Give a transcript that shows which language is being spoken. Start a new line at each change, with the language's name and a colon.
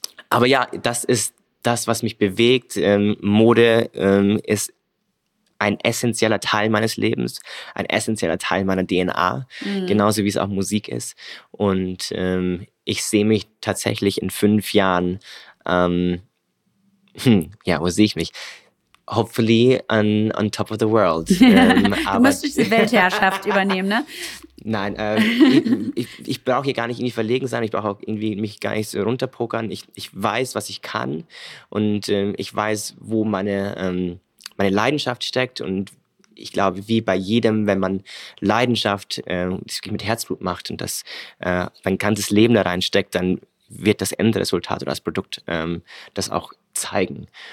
German: Aber ja, das ist das, was mich bewegt. Mode ist ein essentieller Teil meines Lebens, ein essentieller Teil meiner DNA, genauso wie es auch Musik ist. Und ich sehe mich tatsächlich in 5 Jahren, wo sehe ich mich?
English: Hopefully on top of the world.
German: Du musst die Weltherrschaft übernehmen, ne? Nein, ich brauche hier gar nicht irgendwie verlegen sein, ich brauche auch irgendwie mich gar nicht so runterpokern. Ich weiß, was ich kann und ich weiß, wo meine Leidenschaft steckt und ich glaube, wie bei jedem, wenn man Leidenschaft mit Herzblut macht und das sein ganzes Leben da reinsteckt, dann wird das Endresultat oder das Produkt das auch zeigen.